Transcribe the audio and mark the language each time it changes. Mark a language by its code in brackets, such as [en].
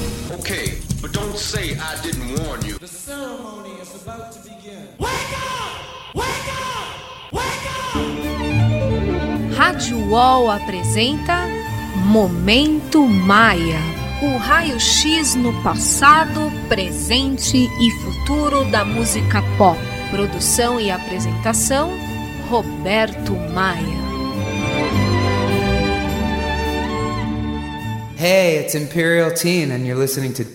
[en] Okay, but don't say I didn't warn you. The ceremony is about to begin. Wake up! Wake up! Wake up! [pt] Rádio UOL apresenta Momento Maia. O raio-x no passado, presente e futuro da música pop. Produção e apresentação, Roberto Maia. [en] Hey, it's Imperial Teen and you're listening to